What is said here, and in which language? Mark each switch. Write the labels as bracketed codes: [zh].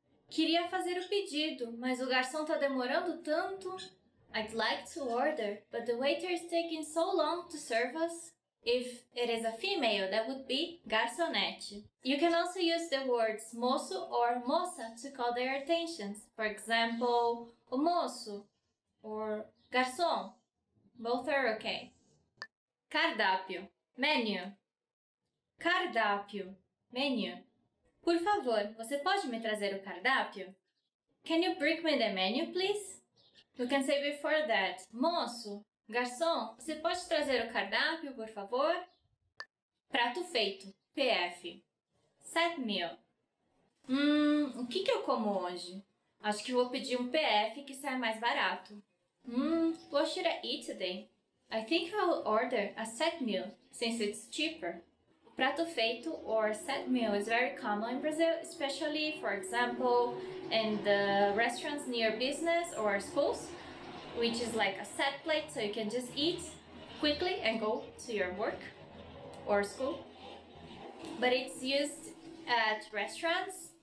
[pt] Queria fazer o pedido, mas o garçom tá demorando tanto. [en] I'd like to order, but the waiter is taking so long to serve us. If it is a female, that would be garçonete. You can also use the words moço or moça to call their attentions. For example, o moço or garçom. Both are okay. Cardápio. Menu. Cardápio. Menu. [pt] Por favor, você pode me trazer o cardápio? [en] Can you bring me the menu, please? You can say before that, [pt] moço, garçom, você pode trazer o cardápio, por favor? Prato feito, PF. [en] Set meal. [pt] O que eu como hoje? Acho que vou pedir um PF que sai mais barato. [en] What should I eat today? I think I'll order a set meal, since it's cheaper. Prato feito or set meal is very common in Brazil, especially, for example, in the restaurants near business or schools, which is like a set plate, so you can just eat quickly and go to your work or school. But it's used at restaurants